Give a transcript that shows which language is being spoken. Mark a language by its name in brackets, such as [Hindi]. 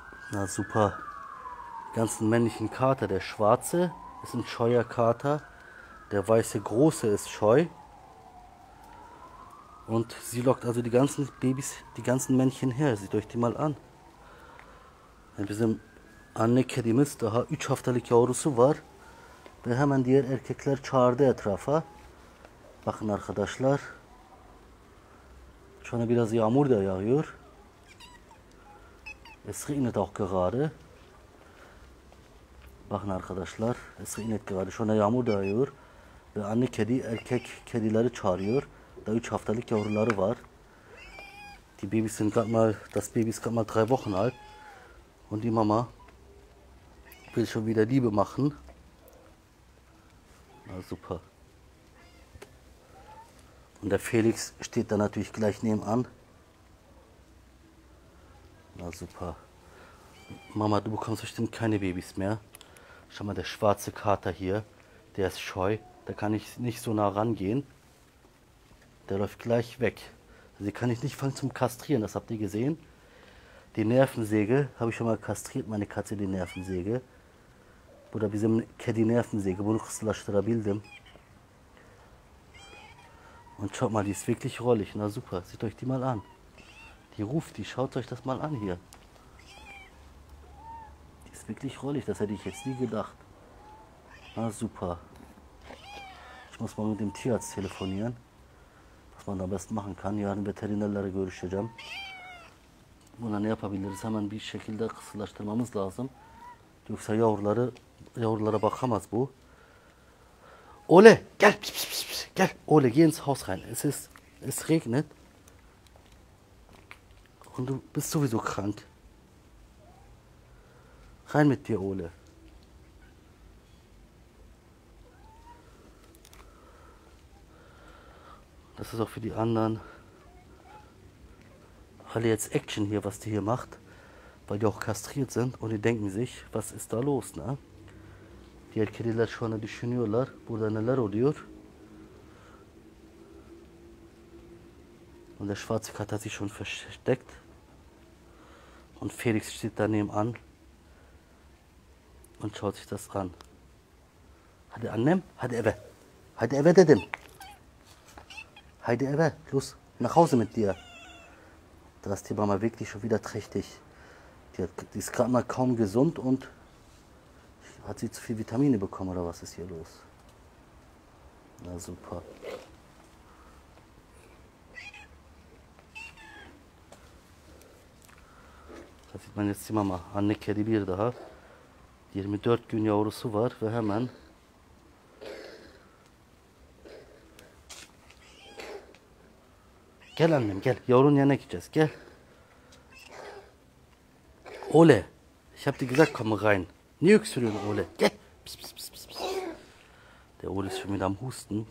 [German] Na super. Die ganzen männlichen Kater. Der schwarze ist ein scheuer Kater. Der weiße große ist scheu. Und sie lockt also die ganzen Babys, die ganzen Männchen her. Sieht euch die mal an. Ein bisschen. [Turkish] Anne kedimiz daha 3 haftalık yavrusu var. Ve hemen diğer erkekler çağırdı etrafa. Bakın arkadaşlar. Şu anda biraz yağmur da yağıyor. [German] Es regnet auch gerade. [Turkish] Bakın arkadaşlar. [German] Es regnet gerade. [Turkish] Şu anda yağmur da yağıyor. Ve anne kedi erkek kedileri çağırıyor. Daha 3 haftalık yavruları var. [German] Die Babys sind gerade mal, das Baby ist gerade mal 3 Wochen alt. Und die Mama will schon wieder Liebe machen. Na super. Und der Felix steht da natürlich gleich nebenan. Na super. Mama, du bekommst bestimmt keine Babys mehr. Schau mal, der schwarze Kater hier, der ist scheu. Da kann ich nicht so nah rangehen. Der läuft gleich weg. Sie kann ich nicht fangen zum Kastrieren, das habt ihr gesehen. Die Nervensäge habe ich schon mal kastriert, meine Katze, die Nervensäge. [Turkish] Oder bizim kedi nervensäge, bunu kısırlaştırabildim. [German] Und schaut mal, die ist wirklich rollig. Na super, seht euch die mal an. Die ruft, die schaut euch das mal an hier. Die ist wirklich rollig, das hätte ich jetzt nie gedacht. Na super. Ich muss mal mit dem Tierarzt telefonieren. Was man da am besten machen kann. [Turkish] Yarın veterinerlere görüşeceğim. Buna ne yapabiliriz? Hemen bir şekilde kısırlaştırmamız lazım. Yoksa yavrulara bakamaz bu. Ole, gel. Pş, pş, pş, pş, gel. Ole, [German] geh ins Haus rein. Es regnet. Und du bist sowieso krank. Rein mit dir, Ole. Das ist auch für die anderen. Alle jetzt Action hier, was die hier macht. Weil die auch kastriert sind und die denken sich, was ist da los, ne? Die erkennen schon, die [Turkish] düşünüyorlar, burada neler oluyor. [German] Und der schwarze Kat hat sich schon versteckt. Und Felix steht daneben an und schaut sich das an. [Turkish] Hadi annem, hadi eve. Hadi eve dedim. Hadi eve, [German] los, nach Hause mit dir. Da ist die Mama wirklich schon wieder trächtig. Die ist gerade mal kaum gesund und hat sie zu viel Vitamine bekommen oder was ist hier los? Na super. Da sieht man jetzt die Mama, [Turkish] Anne Kedi bir daha. 24 gün yavrusu var ve hemen. Gel annem gel, yavrunun yanına gideceğiz gel. [German] Ole, ich hab dir gesagt, komm rein. [Turkish] Ne yüksürüyorsun Ole? Gel. [German] Pis, pis, pis, pis, pis. Der Ole ist schon wieder am Husten.